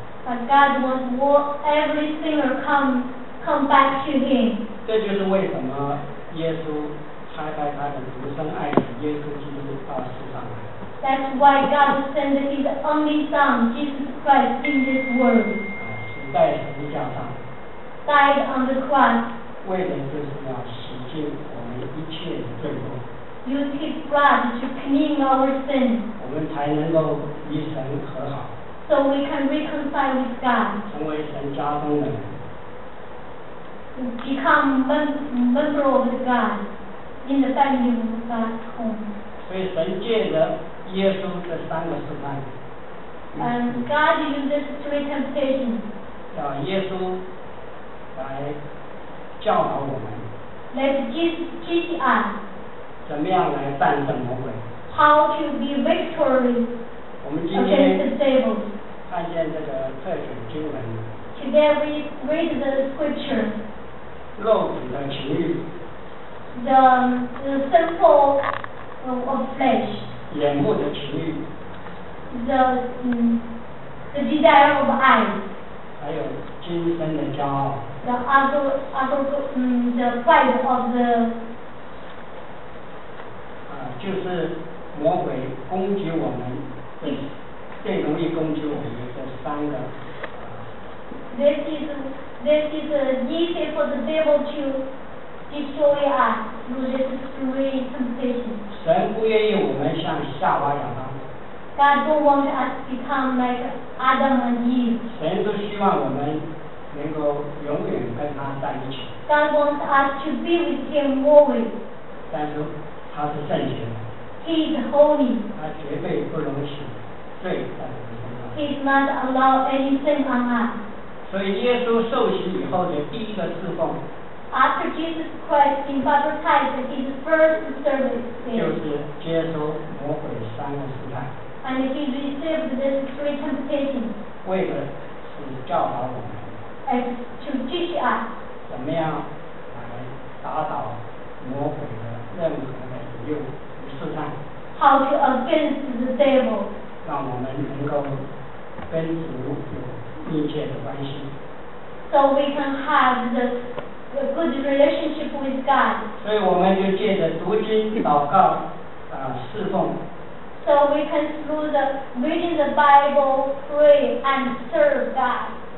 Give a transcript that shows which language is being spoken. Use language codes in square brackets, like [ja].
[en] But God wants every sinner come back to Him. [zh] 这就是为什么耶稣。拆开他的独生爱子耶稣基督到世上来。 [en] That's why God sent His only Son, Jesus Christ, in this world. [zh] 死在十字架上。 [en] Died on the cross. [zh] 为的就是要洗净我们一切的罪过。 [en] Use His blood to clean our sins. [zh] 我们才能够与神和好。 [en] So we can reconcile with God. [zh] 成为神家中的人。 [en] Become member of God. In the family of God's home. [zh] 所以神借着耶稣这三个试探。 [en] And God uses three temptations. [zh] 叫耶稣来教导我们。 [en] Let Jesus teach us. [zh] 怎么样来战胜魔鬼。 [en] How to be victorious. [zh] 我们今天看见这个特选经文。 [en] Today we read the scripture. [zh] 肉体的情欲。 [en] The sinful of flesh. [zh] 眼目的情欲。 [en] The desire of eyes. [zh] 还有今生的骄傲。 [en] The other the fight of the [zh] 就是魔鬼攻击我们的，最容易攻击我们的三个。 [en] This is easy for the devil to destroy us through this three temptations. [zh] 神不愿意我们像夏娃亚当。 [en] God don't want us to become like Adam and Eve. [zh] 神都希望我们能够永远跟他在一起。 [en] God wants us to be with him always. [zh] 但是他是圣洁的。 [en] He is holy. [zh] 他绝对不容许罪在我们身上。 [en] He does not allow any sin on us. [zh] 所以耶稣受洗以后的第一个侍奉 [en] After Jesus Christ being baptized, his first service [zh] is 就是接受魔鬼三个试探 [en] And he received this three temptations [zh] 为了是教导我们 [en] And to teach us [zh] 怎么样来打倒魔鬼的任何的诱试探 [en] How to against the devil [zh] 让我们能够跟主有密切的关系 [en] so we can have the good relationship with God [zh] 所以我们就借着读经祷告侍奉 [en] so we can through the reading the Bible pray and serve God